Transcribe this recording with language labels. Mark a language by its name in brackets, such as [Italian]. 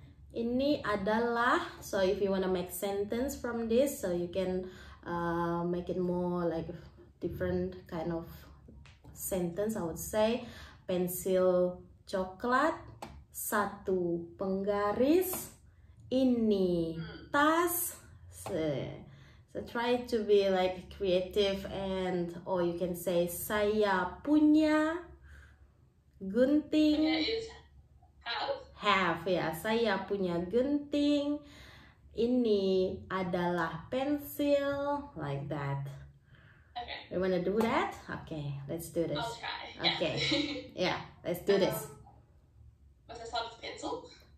[Indonesian] Ini adalah, [English] so if you want to make sentence from this, so you can make it more like different kind of sentence, I would say. [Indonesian] Pensil coklat, satu penggaris, ini tas. [English] So try to be like creative, and or you can say [Indonesian] saya punya gunting. [English] Have, [Indonesian] ya, saya punya gunting, ini adalah pensil, [English] like that. Okay. You wanna do that? Okay, let's do this. I'll try. Okay. Yeah, yeah, let's do this. Was I start with pencil?